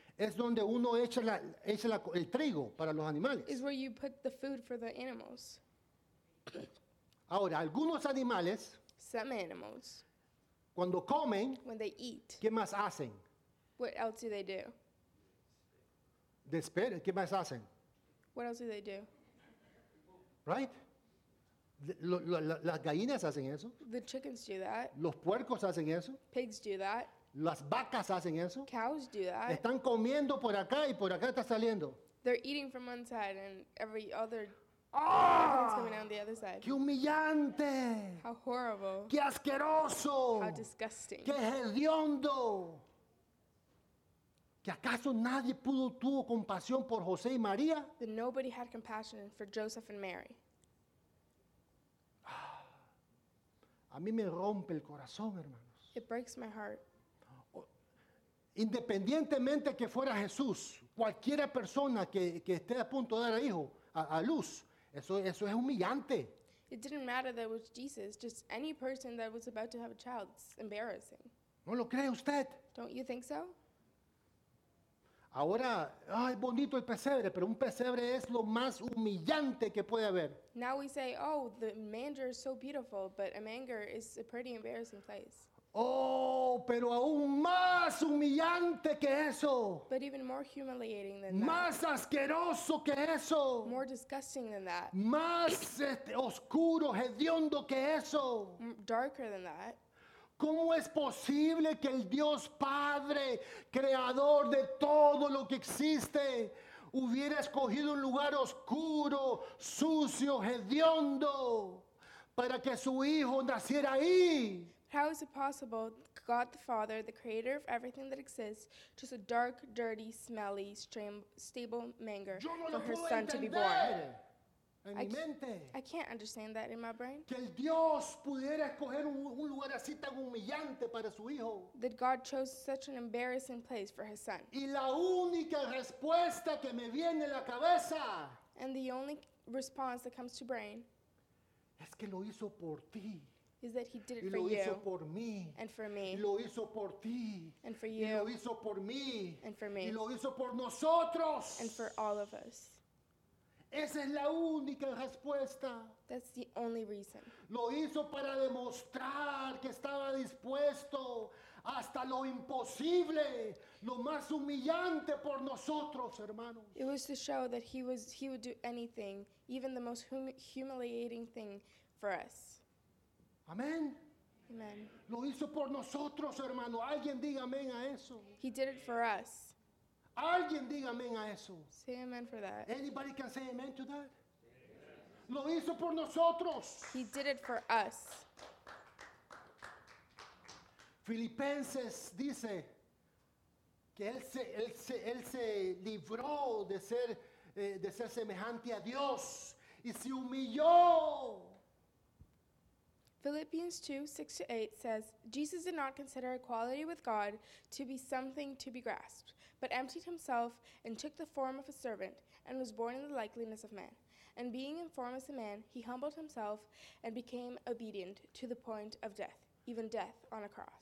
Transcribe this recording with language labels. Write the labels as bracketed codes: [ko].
[es] Es donde uno echa el trigo para los animales. [en] Is where you put the food for the animals. [es] Ahora, algunos animales. [en] Some animals. [es] Cuando comen. [en] When they eat. [es] ¿Qué más hacen? [en] What else do they do? [es] Despera, ¿qué más hacen? [en] What else do they do? Right? [es] Las gallinas hacen eso. [en] The chickens do that. [es] Los puercos hacen eso. [en] Pigs do that. [es] Las vacas hacen eso. [en] Cows do that. [es] Están comiendo por acá y por acá está saliendo. [en] They're eating from one side and every other. Everything's coming out on the other side. [es] ¡Qué humillante! [en] How horrible. [es] ¡Qué asqueroso! [en] How disgusting. [es] ¡Qué hediondo! ¿Que acaso nadie tuvo compasión por José y María? [en] That nobody had compassion for Joseph and Mary. [es] A mí me rompe el corazón, hermanos. [en] It breaks my heart. [es] Independientemente que fuera Jesús, cualquier persona que esté a punto de dar a hijo, a luz, eso es humillante. [en] It didn't matter that it was Jesus, just any person that was about to have a child, it's embarrassing. [es] ¿No lo cree usted? [en] Don't you think so? [es] Ahora, ay, bonito el pesebre, pero un pesebre es lo más humillante que puede haber. [en] Now we say, oh, the manger is so beautiful, but a manger is a pretty embarrassing place. [es] Oh, pero aún más humillante que eso. [en] But even more humiliating than [es] más [en] that. [es] Más asqueroso que eso. [en] More disgusting than that. [es] Más oscuro, hediondo que eso. [en] Darker than that. [es] ¿Cómo es posible que el Dios Padre, creador de todo lo que existe, hubiera escogido un lugar oscuro, sucio, hediondo, para que su hijo naciera ahí? [en] How is it possible God the Father, the creator of everything that exists, chose a dark, dirty, smelly, stable manger for her son to be born? I can't understand that in my brain. [es] Que el Dios pudiera escoger un lugar así tan humillante para su hijo. [en] That God chose such an embarrassing place for his son. [es] Y la única respuesta que me viene en la cabeza. [en] And the only response that comes to brain. [es] Es que lo hizo por ti. [en] Is that he did it [es] y [en] for [es] lo [en] you. [es] Hizo por mí. [en] And for me. [es] Y lo hizo por ti. [en] And for you. [es] Y lo hizo por mí. [en] And for me. [es] Y lo hizo por nosotros. [en] And for all of us. [es] Esa es la única respuesta. [en] That's the only reason. [es] Lo hizo para demostrar que estaba dispuesto hasta lo imposible, lo más humillante por nosotros, hermanos. [en] It was to show that he would do anything, even the most humiliating thing for us. [es] Amén. [en] Amen. [es] Lo hizo por nosotros, hermano. Alguien diga amén a eso. [en] He did it for us. [es] Alguien diga amén a eso. [en] Say amen for that. Anybody can say amen to that? Amen. [es] Lo hizo por nosotros. [en] He did it for us. [es] Filipenses dice que él se libró de ser semejante a Dios y se humilló. [en] Philippians 2:6-8 says, Jesus did not consider equality with God to be something to be grasped, but emptied himself and took the form of a servant and was born in the likeness of man. And being in form as a man, he humbled himself and became obedient to the point of death, even death on a cross.